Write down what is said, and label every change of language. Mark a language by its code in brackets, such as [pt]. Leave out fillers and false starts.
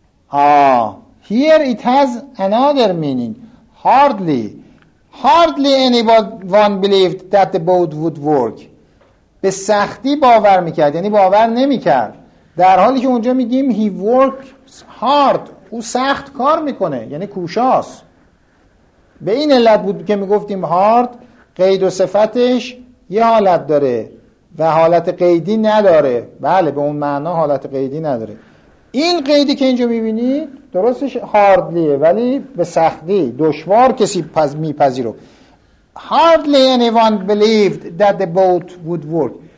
[en] Here it has another meaning. Hardly. Hardly anyone believed that the boat would work. [fa] به سختی باور میکرد، یعنی باور نمیکرد، در حالی که اونجا میگیم [en] he works hard، [fa] او سخت کار میکنه، یعنی کوشاست. به این علت بود که میگفتیم hard قید و صفتش یه حالت داره و حالت قیدی نداره. بله، به اون معنا حالت قیدی نداره. این قیدی که اینجا میبینید درستش hardlyه، ولی به سختی، دشوار کسی میپذیره. [en] Hardly anyone believed that the boat would work.